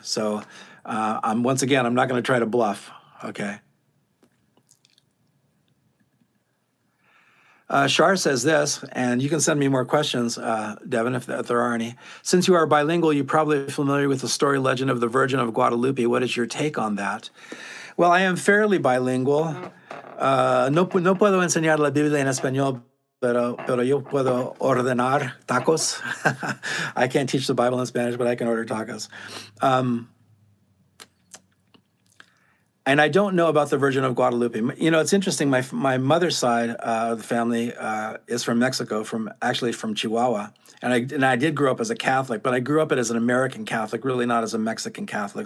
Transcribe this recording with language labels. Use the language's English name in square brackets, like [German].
[English] So I'm not going to try to bluff, okay? Shar says this, and you can send me more questions, Devin, if there are any. Since you are bilingual, you're probably familiar with the story legend of the Virgin of Guadalupe. What is your take on that? Well, I am fairly bilingual. [Spanish] No puedo enseñar la Biblia en español, pero yo puedo ordenar tacos. [English] I can't teach the Bible in Spanish, but I can order tacos. And I don't know about the Virgin of Guadalupe. You know, it's interesting. My mother's side of the family is from Mexico, from Chihuahua. And I did grow up as a Catholic, but I grew up as an American Catholic, really not as a Mexican Catholic.